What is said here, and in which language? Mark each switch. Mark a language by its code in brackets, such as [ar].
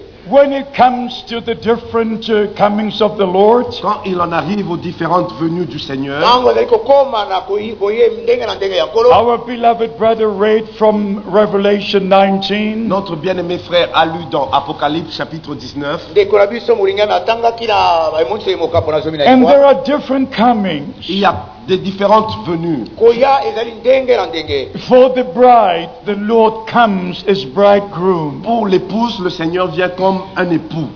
[en] When it comes to the different comings of the Lord, [fr] quand il en arrive aux différentes venues du Seigneur, [en] our beloved brother read from Revelation 19. [fr] Notre bien-aimé frère a lu dans Apocalypse chapitre 19. [en] And there are different comings. [fr] Il y a des différentes venues. [en] For the bride, the Lord comes as bridegroom. [fr] Pour l'épouse, le Seigneur vient comme un époux.